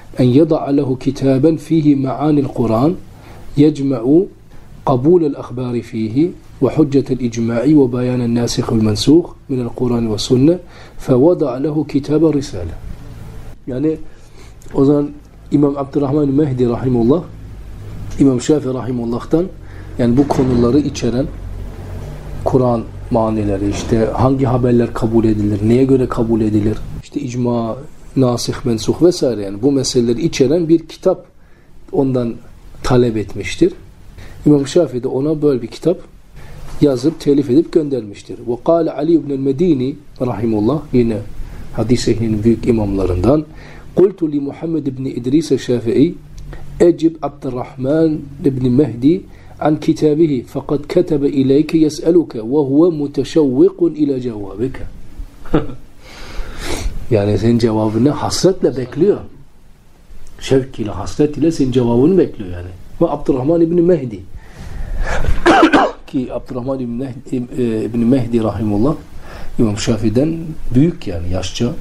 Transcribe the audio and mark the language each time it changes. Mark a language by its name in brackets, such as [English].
[Arabic] أن يضع له كتابا فيه معاني القرآن يجمع قبول الأخبار فيه وحجة الإجماع وبيان الناسخ والمنسوخ من القرآن والسنة فوضع له كتاب رسالة. [Turkish] يعني o zaman İmam Abdurrahman Mehdi rahimullah İmam Şafii rahimullah'tan yani bu konuları içeren Kur'an manileri işte hangi haberler kabul edilir neye göre kabul edilir işte icma nasih, mensuh vesaire yani bu meseleleri içeren bir kitap ondan talep etmiştir. İmam Şafii de ona böyle bir kitap yazıp, telif edip göndermiştir. [Arabic] وَقَالَ عَلِيُ بْنَ الْمَد۪ينِ [Turkish] rahimullah yine hadis ehlinin büyük imamlarından [Arabic] قُلْتُ لِمُحَمَّدِ بْنِ اِدْرِيسَ شَافِعِي اَجِبْ عَبْدَ الرَّحْمَنِ بْنِ مَهْدِي عَنْ كِتَابِهِ فَقَدْ كَتَبَ اِلَيْكَ يَسْأَلُكَ وَهُوَ مُتَشَوِّقٌ اِلَى جَوَابِكَ. [Turkish] Yani senin cevabını hasretle bekliyor. Şevk ile, hasret ile senin cevabını bekliyor yani. Ve Abdurrahman İbni Mehdi. Ki Abdurrahman İbni Mehdi rahimullah İmam Şafii'den büyük yani yaşça.